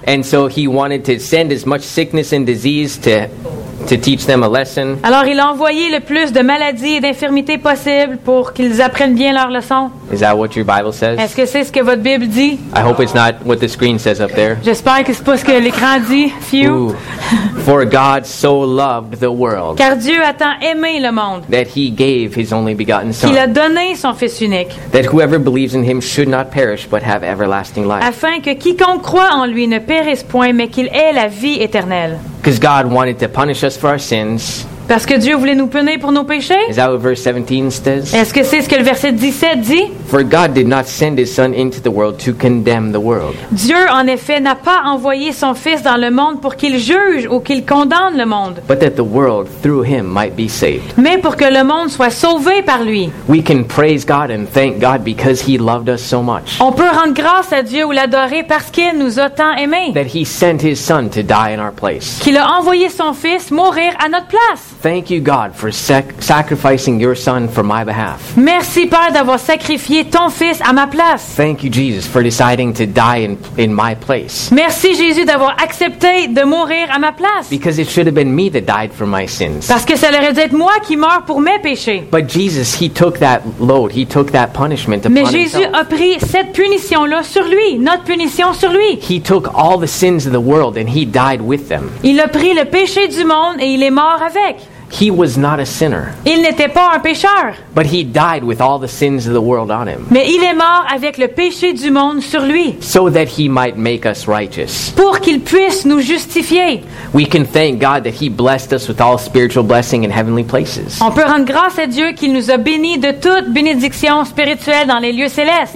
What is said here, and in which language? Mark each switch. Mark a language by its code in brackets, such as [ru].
[en] And so he wanted to send as much sickness and disease to to teach them a lesson. [fr] Alors il a envoyé le plus de maladies et d'infirmités possibles pour qu'ils apprennent bien leur leçon. [en] Is that what your Bible says? [fr] Est-ce que c'est ce que votre Bible dit? [en] I hope it's not what the screen says up there. [fr] J'espère que c'est pas ce que l'écran dit. Phew. [en] For God so loved the world. [fr] Car Dieu a tant aimé le monde. [en] That he gave his only begotten son. [fr] Il a donné son fils unique. [en] That whoever believes in him should not perish but have everlasting life. [fr] Afin que quiconque croit en lui ne périsse point mais qu'il ait la vie éternelle. [en] Because God wanted to punish us for our sins. [fr] Parce que Dieu voulait nous punir pour nos péchés. [en] Is that what verse 17 says? [fr] Est-ce que c'est ce que le verset 17 dit? [en] For God did not send his son into the world to condemn the world. [fr] Dieu en effet n'a pas envoyé son fils dans le monde pour qu'il juge ou qu'il condamne le monde. [en] But that the world through him might be saved. [fr] Mais pour que le monde soit sauvé par lui. [en] We can praise God and thank God because he loved us so much. [fr] On peut rendre grâce à Dieu ou l'adorer parce qu'il nous a tant aimés. [en] That he sent his son to die in our place. [fr] Qu'il a envoyé son fils mourir à notre place. [en] Thank you, God, for sacrificing your son for my behalf. [fr] Merci, Père, d'avoir sacrifié ton fils à ma place. [en] Thank you, Jesus, for deciding to die in my place. [fr] Merci, Jésus, d'avoir accepté de mourir à ma place. [en] Because it should have been me that died for my sins. [fr] Parce que ça aurait dû être moi qui meurt pour mes péchés. [en] But Jesus, he took that load, he took that punishment upon [fr] himself. Mais Jésus a pris cette punition-là sur lui, notre punition sur lui. [en] He took all the sins of the world and he died with them. [fr] Il a pris le péché du monde et il est mort avec. [en] He was not a sinner. [fr] Il n'était pas un pécheur. [en] But he died with all the sins of the world on him. [fr] Mais il est mort avec le péché du monde sur lui. [en] So that he might make us righteous. [fr] Pour qu'il puisse nous justifier. [en] We can thank God that he blessed us with all spiritual blessing in heavenly places. [fr] On peut rendre grâce à Dieu qu'il nous a bénis de toute bénédiction spirituelle dans les lieux célestes.